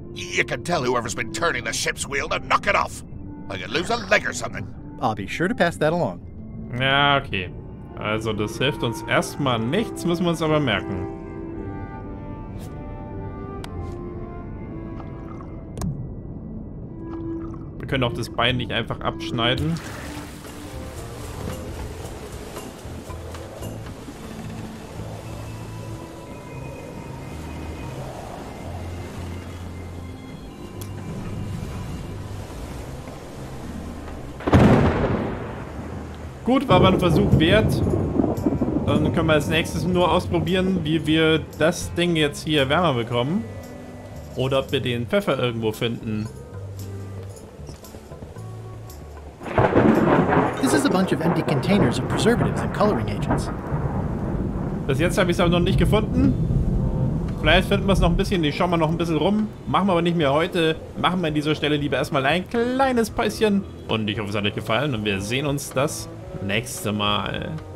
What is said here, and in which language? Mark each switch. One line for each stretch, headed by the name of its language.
English: You can tell whoever's been turning the ship's wheel to knock it off. I could lose a leg or something. I'll be sure to pass that along.
German: Ja, okay. Also, das hilft uns erstmal nichts, müssen wir uns aber merken. Wir können auch das Bein nicht einfach abschneiden. Gut, war aber ein Versuch wert. Dann können wir als nächstes nur ausprobieren, wie wir das Ding jetzt hier wärmer bekommen. Oder ob wir den Pfeffer irgendwo finden.
English: This is a bunch of empty containers of preservatives and coloring agents.
German: Bis jetzt habe ich es aber noch nicht gefunden. Vielleicht finden wir es noch ein bisschen. Ich schaue mal noch ein bisschen rum. Machen wir aber nicht mehr heute. Machen wir an dieser Stelle lieber erstmal ein kleines Päuschen. Und ich hoffe, es hat euch gefallen und wir sehen uns das nächste Mal.